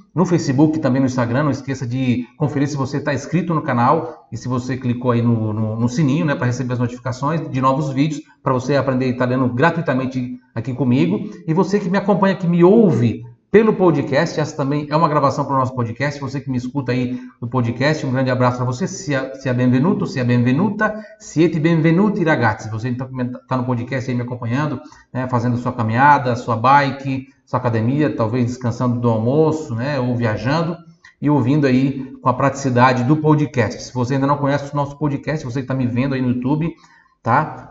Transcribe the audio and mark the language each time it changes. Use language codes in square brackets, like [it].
[pt] No Facebook, também no Instagram, não esqueça de conferir se você está inscrito no canal e se você clicou aí no sininho, né, para receber as notificações de novos vídeos, para você aprender italiano gratuitamente aqui comigo. E você que me acompanha, que me ouve pelo podcast, essa também é uma gravação para o nosso podcast. Você que me escuta aí no podcast, um grande abraço para você. [it] Sia benvenuto, sia benvenuta, siete benvenuti, ragazzi. [pt] Você está no podcast aí me acompanhando, né, fazendo sua caminhada, sua bike, sua academia, talvez descansando do almoço, né, ou viajando e ouvindo aí com a praticidade do podcast. Se você ainda não conhece o nosso podcast, você que está me vendo aí no YouTube, tá?